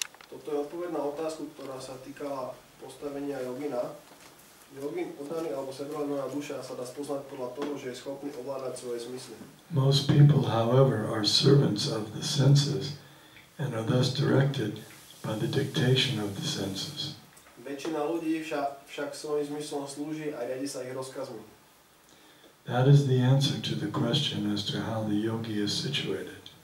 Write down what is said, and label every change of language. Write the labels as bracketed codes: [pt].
[sk] Toto je odpoveď na otázku, ktorá sa týkala postavenia jogina. Jogin, oddaný alebo sebrovedomá duša, sa dá spoznať podľa toho, že je schopný ovládať svoje zmysly. [en] Most people, however, are servants of the senses and are thus directed by the dictation of the senses. [sk] Väčšina ľudí však svojim zmyslom slúži a riadi sa ich rozkazmi. [en] That is the answer to the question as to how the yogi is situated.